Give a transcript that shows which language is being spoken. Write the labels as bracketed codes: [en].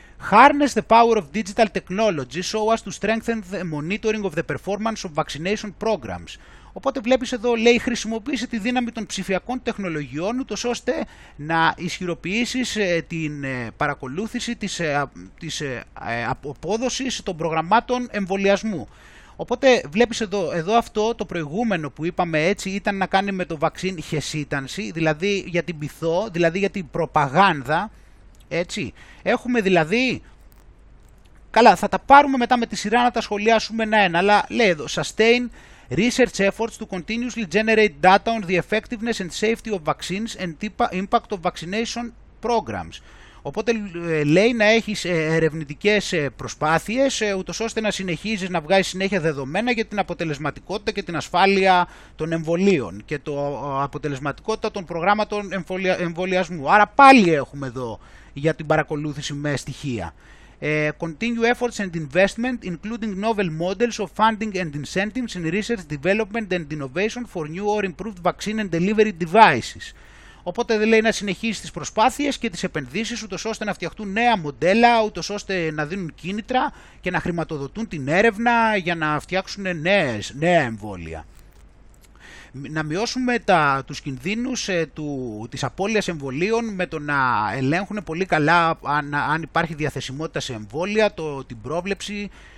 [en] Harness the power of digital technology so as to strengthen the monitoring of the performance of vaccination programs. [el] Οπότε βλέπεις εδώ, λέει, χρησιμοποίησε τη δύναμη των ψηφιακών τεχνολογιών ούτως ώστε να ισχυροποιήσεις την παρακολούθηση της απόδοσης των προγραμμάτων εμβολιασμού. Οπότε βλέπεις εδώ αυτό το προηγούμενο που είπαμε, έτσι, ήταν να κάνει με το vaccine hesitancy, δηλαδή για την πειθό, δηλαδή για την προπαγάνδα, έτσι. Έχουμε δηλαδή... Καλά, θα τα πάρουμε μετά με τη σειρά να τα σχολιάσουμε ένα-ένα, αλλά λέει εδώ, [en] sustain research efforts to continuously generate data on the effectiveness and safety of vaccines and impact of vaccination programs. [el] Οπότε λέει να έχεις ερευνητικές προσπάθειες, ούτως ώστε να συνεχίζεις να βγάζεις συνέχεια δεδομένα για την αποτελεσματικότητα και την ασφάλεια των εμβολίων και το αποτελεσματικότητα των προγράμματων εμβολιασμού. Άρα πάλι έχουμε εδώ για την παρακολούθηση με στοιχεία. [en] Continue efforts and investment, including novel models of funding and incentives in research, development and innovation for new or improved vaccine and delivery devices. [el] Οπότε λέει να συνεχίσει τις προσπάθειες και τις επενδύσεις ούτως ώστε να φτιαχτούν νέα μοντέλα, ούτως ώστε να δίνουν κίνητρα και να χρηματοδοτούν την έρευνα για να φτιάξουν νέα εμβόλια. Να μειώσουμε τους κινδύνους της απώλειας εμβολίων με το να ελέγχουν πολύ καλά αν υπάρχει διαθεσιμότητα σε εμβόλια, την πρόβλεψη,